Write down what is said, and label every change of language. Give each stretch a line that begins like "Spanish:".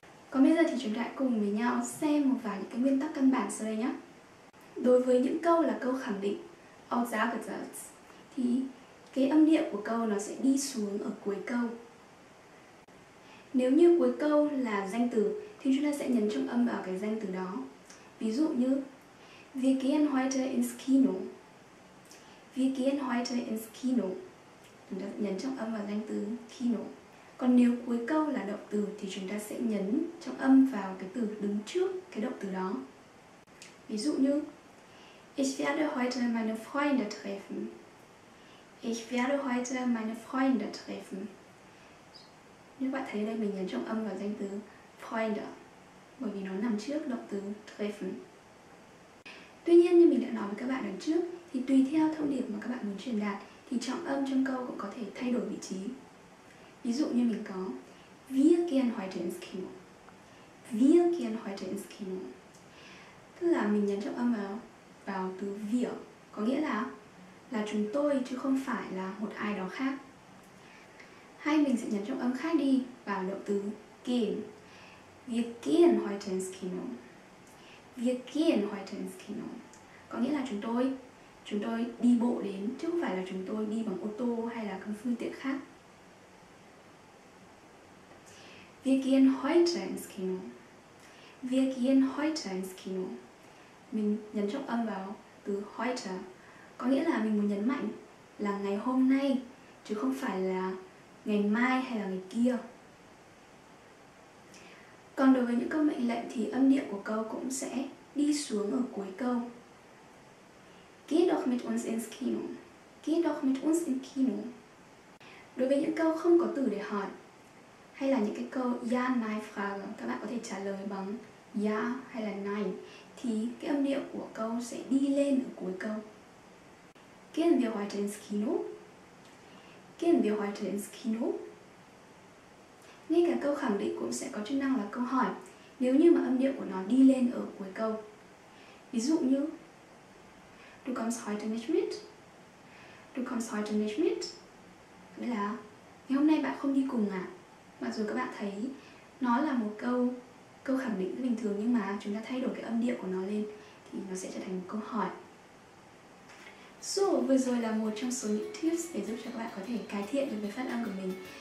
Vietnamese: Còn bây giờ thì chúng ta hãy cùng với nhau xem một vài những cái nguyên tắc căn bản sau đây nhé. Đối với những câu là câu khẳng định, Aussagesatz, thì cái âm điệu của câu nó sẽ đi xuống ở cuối câu. Nếu như cuối câu là danh từ thì chúng ta sẽ nhấn trọng âm vào cái danh từ đó. Ví dụ như
German: Wir gehen heute ins Kino. Wir gehen heute ins Kino.
Vietnamese: Chúng ta nhấn trọng âm vào danh từ Kino. Còn nếu cuối câu là động từ thì chúng ta sẽ nhấn trọng âm vào cái từ đứng trước cái động từ đó. Ví dụ như
German: Ich werde heute meine Freunde treffen. Ich werde heute meine Freunde treffen.
Vietnamese: Như bạn thấy đây, mình nhấn trọng âm vào danh từ Freunde bởi vì nó nằm trước động từ treffen. Tuy nhiên, như mình đã nói với các bạn lần trước, thì tùy theo thông điệp mà các bạn muốn truyền đạt thì trọng âm trong câu cũng có thể thay đổi vị trí. Ví dụ như mình có
German: Wir gehen heute ins Kino. Wir gehen heute ins Kino.
Vietnamese: Tức là mình nhấn trọng âm vào từ wir, có nghĩa là chúng tôi chứ không phải là một ai đó khác. Hay mình sẽ nhấn trọng âm khác đi vào động từ gehen.
German: Wir gehen heute ins Kino. Wir gehen heute ins Kino.
Vietnamese: Có nghĩa là chúng tôi đi bộ đến chứ không phải là chúng tôi đi bằng ô tô hay là các phương tiện khác.
German: Wir gehen heute ins Kino. Wir gehen heute ins Kino.
Vietnamese: Mình nhấn trọng âm vào từ heute, có nghĩa là mình muốn nhấn mạnh là ngày hôm nay chứ không phải là ngày mai hay là ngày kia. Còn đối với những câu mệnh lệnh thì âm điệu của câu cũng sẽ đi xuống ở cuối câu.
German: Geh doch mit uns ins Kino. Geh doch mit uns ins Kino.
Vietnamese: Đối với những câu không có từ để hỏi hay là những cái câu
German: ja, nein, frage,
Vietnamese: các bạn có thể trả lời bằng ja hay là nein, thì cái âm điệu của câu sẽ đi lên ở cuối câu.
German: Gehen wir heute ins Kino? Gehen wir heute ins Kino?
Vietnamese: Ngay cả câu khẳng định cũng sẽ có chức năng là câu hỏi nếu như mà âm điệu của nó đi lên ở cuối câu. Ví dụ như
German: Du kommst heute nicht mit? Du kommst heute nicht mit?
Vietnamese: Nghĩa là ngày hôm nay bạn không đi cùng à? Mặc dù các bạn thấy nó là một câu khẳng định bình thường, nhưng mà chúng ta thay đổi cái âm điệu của nó lên thì nó sẽ trở thành một câu hỏi. So, vừa rồi là một trong số những tips để giúp cho các bạn có thể cải thiện được về phát âm của mình.